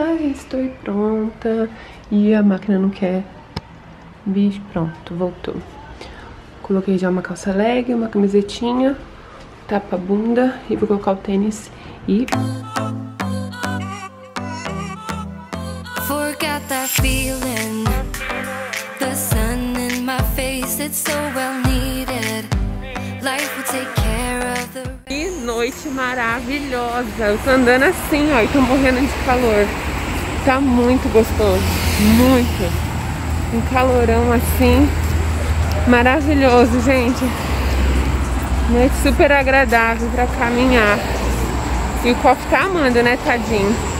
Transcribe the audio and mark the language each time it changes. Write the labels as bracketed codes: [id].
[pt] Estou pronta, e a máquina não quer, bicho, pronto, voltou. Coloquei já uma calça leg, uma camisetinha, tapa bunda, e vou colocar o tênis e... [en] Forgot that feeling, the sun in my face, it's so well needed, life will take care. [pt] Noite maravilhosa. Eu tô andando assim, ó, e tô morrendo de calor. Tá muito gostoso. Muito. Um calorão assim. Maravilhoso, gente. Noite super agradável pra caminhar. E o copo tá amando, né, tadinho.